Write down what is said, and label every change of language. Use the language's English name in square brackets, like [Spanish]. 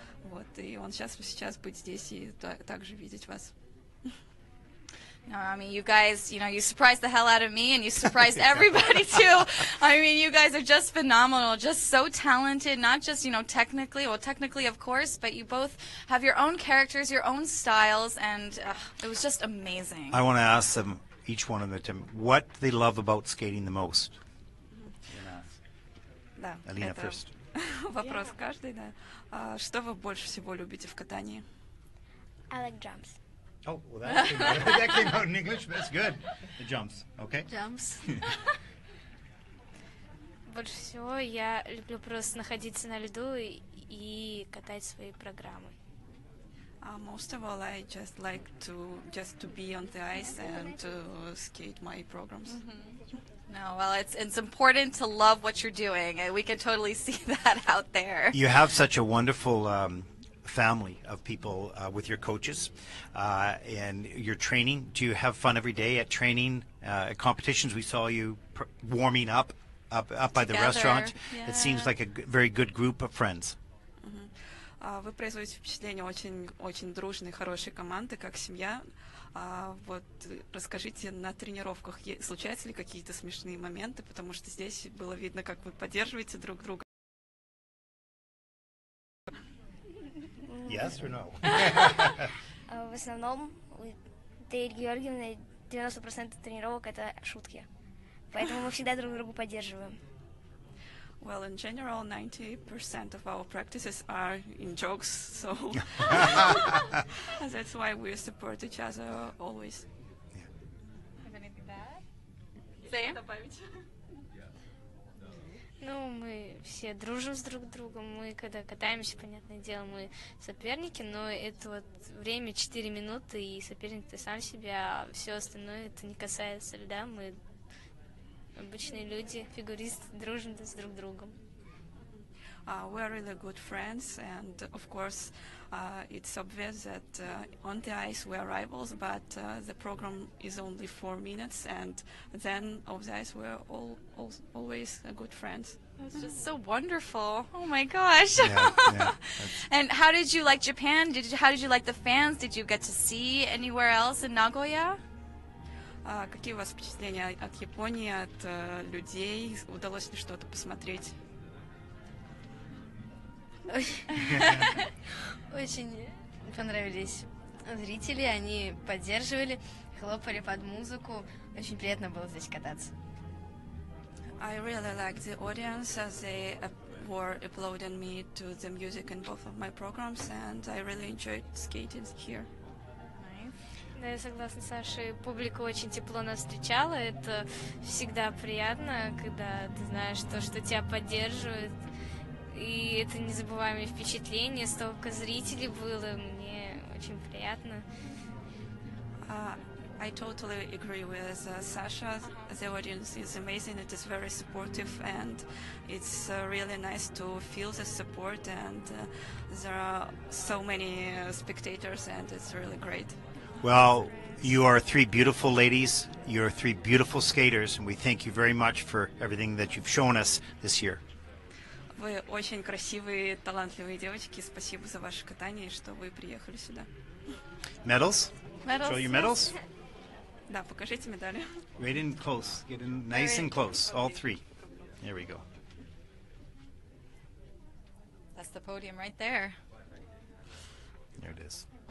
[Russian] Вот, и он счастлив сейчас быть здесь и также видеть вас. [English] No, I mean, you guys, you know, you surprised the hell out of me and you surprised everybody too. I mean, you guys are just phenomenal, just so talented, not just, you know, technically, well, technically, of course, but you both have your own characters, your own styles, and it was just amazing. I want to ask them, each one of them, what they love about skating the most. Mm-hmm. Yeah. Alina first. [Russian] Вопрос каждый, да. Что вы больше всего любите в катании? [English] I like jumps. Oh, well, that came out in English, that's good. The jumps, okay? Jumps. [Russian] Больше всего я люблю просто находиться на льду и катать свои программы. [English] Most of all, I just like to just to be on the ice and to skate my programs. Mm-hmm. No, well, it's important to love what you're doing, and we can totally see that out there. You have such a wonderful family of people with your coaches and your training. Do you have fun every day at training, at competitions? We saw you warming up by together. The restaurant. Yeah. It seems like a very good group of friends. [Russian] Вы производите впечатление очень-очень дружной, хорошей команды, как семья. Вот расскажите, на тренировках случаются ли какие-то смешные моменты, потому что здесь было видно, как вы поддерживаете друг друга. [English] Yes or no? [Russian] В основном, Дарья Георгиевна, 90% тренировок — это шутки. Поэтому мы всегда друг друга поддерживаем. [English] Well, in general, 90% of our practices are in jokes, so that's why we support each other always. Have anything to add? Same. [Russian] Ну, мы все дружим с друг другом. Мы когда катаемся, понятное дело, мы соперники, но это вот время 4 минуты, и соперник ты сам себя, а все остальное это не касается льда. Мы обычные люди, фигуристы, дружим с друг другом. [English] We are really good friends, and of course, it's obvious that on the ice we are rivals, but the program is only 4 minutes, and then off the ice we are always good friends. It's just so wonderful. Oh my gosh. Yeah, and how did you like Japan? How did you like the fans? Did you get to see anywhere else in Nagoya? [Russian] Какие у вас впечатления от Японии, от людей? Удалось ли что-то посмотреть? Очень понравились зрители, они поддерживали, хлопали под музыку. Очень приятно было здесь кататься. [English] I really like the audience, as they were applauding me to the music in both of my programs, and I really enjoyed skating here. [Russian] Да, я согласна, Саша. Публика очень тепло нас встречала. Это всегда приятно, когда ты знаешь то, что тебя поддерживают. И это незабываемое впечатление. Столько зрителей было. Мне очень приятно. [English] I totally agree with Sasha. The audience is amazing. It is very supportive, and it's really nice to feel the support. And there are so many spectators, and it's really great. Well, you are three beautiful ladies, you're three beautiful skaters, and we thank you very much for everything that you've shown us this year. [Russian] Вы очень красивые, талантливые девочки. Спасибо за ваше катание и что вы приехали сюда. [English] Medals? Medals. Show your medals? [Russian] Да, покажите медали. [English] Right in close, get in nice and close, all three. There we go. That's it. That's the podium right there. There it is.